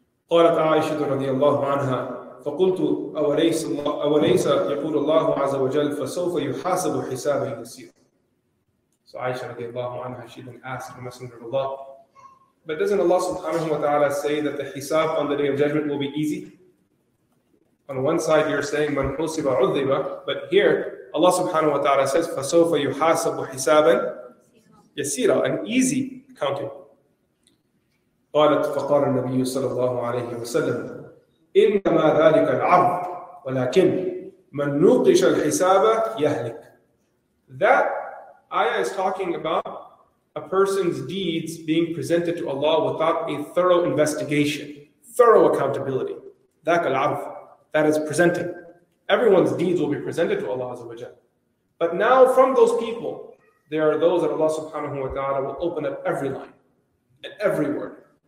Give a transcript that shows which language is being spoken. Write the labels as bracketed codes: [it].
[ar] قالت عائشة رضي الله عنها فقلت أوليس يقول الله عز وجل فسوف يحاسب حسابا يسيرا. [en] So Aisha رضي الله عنها, she then asked the Messenger of Allah, but doesn't Allah subhanahu wa ta'ala say that the hisab on the day of judgment will be easy? On one side you're saying man husiba udhiba, but here Allah subhanahu wa ta'ala says [ar] فسوف يحاسب حسابا يسيرا, [en] an easy counting. [ar] قالت فقال النبي صلى الله عليه وسلم إنما ذلك العرض ولكن من نوقش الحساب يهلك. [en] That ayah is talking about a person's deeds being presented to Allah without a thorough investigation, thorough accountability. [ar] ذاك العرض, [en] that is presented. Everyone's deeds will be presented to Allah Azza wa Jalla. But now from those people, there are those that Allah subhanahu wa ta'ala will open up every line and every word.